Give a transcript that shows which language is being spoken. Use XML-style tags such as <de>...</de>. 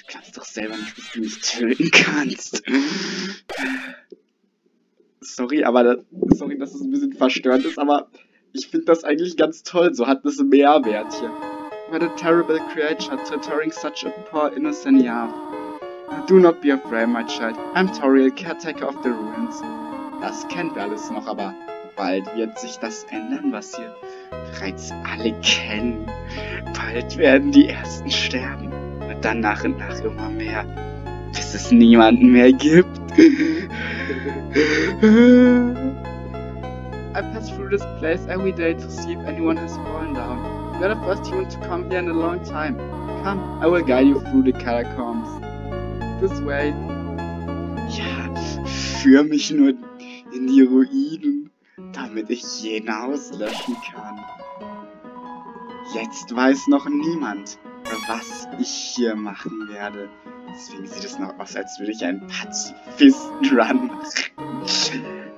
<de>Du glaubst doch selber nicht, dass du mich töten kannst. Sorry, dass es ein bisschen verstörend ist, aber ich finde das eigentlich ganz toll, so hat das Mehrwert hier.</de> <en>What a terrible creature, torturing such a poor innocent young. Do not be afraid, my child. I'm Toriel, caretaker of the ruins.</en> <de>Das kennen wir alles noch, aber bald wird sich das ändern, was wir bereits alle kennen. Bald werden die Ersten sterben. Und dann nach und nach immer mehr, bis es niemanden mehr gibt.</de> <en>I pass through this place every day to see if anyone has fallen down. You are the first human to come here in a long time. Come, I will guide you through the catacombs. This way.</en> <de>Ja, führ mich nur in die Ruinen, damit ich jeden auslöschen kann. Jetzt weiß noch niemand, was ich hier machen werde. Deswegen sieht es noch aus, als würde ich einen Pazifisten-Run machen.</de>